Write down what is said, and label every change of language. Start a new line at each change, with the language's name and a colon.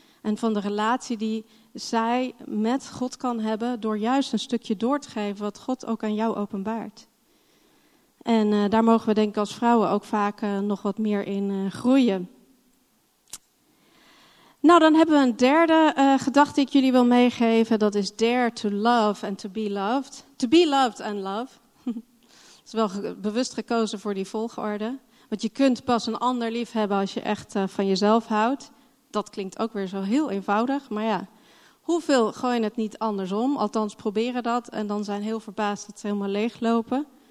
Dutch: En van de relatie die zij met God kan hebben door juist een stukje door te geven wat God ook aan jou openbaart. En daar mogen we denk ik als vrouwen ook vaak nog wat meer in groeien. Nou, dan hebben we een derde gedachte die ik jullie wil meegeven. Dat is
English: dare to love and to be loved. To be loved and love.
Dutch: Dat is wel bewust gekozen voor die volgorde. Want je kunt pas een ander lief hebben als je echt van jezelf houdt. Dat klinkt ook weer zo heel eenvoudig, maar ja, hoeveel gooien het niet andersom? Althans, proberen dat en dan zijn heel verbaasd dat ze helemaal leeglopen.